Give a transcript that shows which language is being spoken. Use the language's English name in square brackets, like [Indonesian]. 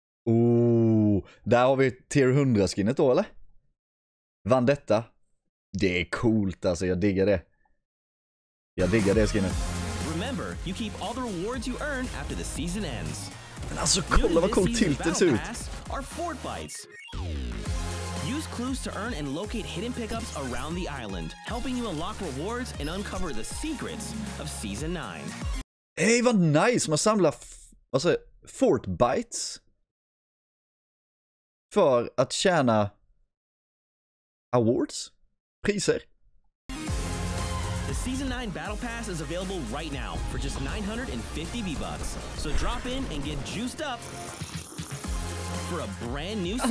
[Swedish] Ooh, där har vi tier 100 skinnet då, eller? Vendetta. Det är coolt, alltså jag diggar det. Jag diggar det skinnet. [English] Remember, you keep all the rewards you earn after the season ends. [Swedish] Men alltså kolla vad coolt tiltet ser ut. [English] Are fort fights. Use clues to earn and locate hidden pickups around the island, helping you unlock rewards and uncover the secrets of season 9. [Swedish] Hey, vad nice! Man samlar fort bites för att tjäna awards, priser. [English] The season 9 battle pass is available right now for just 950 V-bucks. So drop in and get juiced up for a brand new season.